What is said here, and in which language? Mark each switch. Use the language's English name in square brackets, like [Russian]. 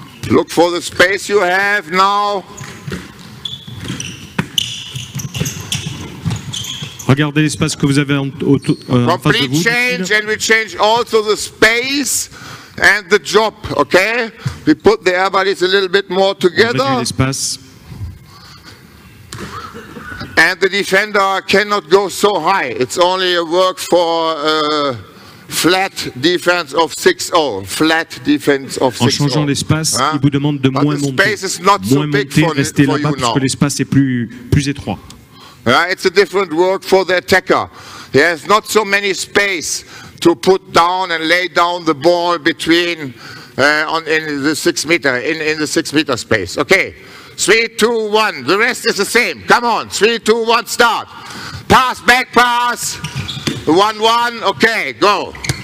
[English] Look for the space you have now. [French] Regardez l'espace que vous avez en face de vous. [English] Change, and we change also the space and the job, okay? We put the air bodies a little bit more together. And the defender cannot go so high. It's only a work for a flat defense of 6-0. Flat defense of 6-0. [French] En changeant l'espace, il vous demande de moins monter. [English] The space is not so big for you now. [French] Restez là-bas puisque l'espace est plus étroit. [English] It's a different work for the attacker. He has not so many space to put down and lay down the ball between in the six meter space. Okay, 3, 2, 1. The rest is the same. Come on, 3, 2, 1. Start. Pass back. Pass. 1-1. Okay, go.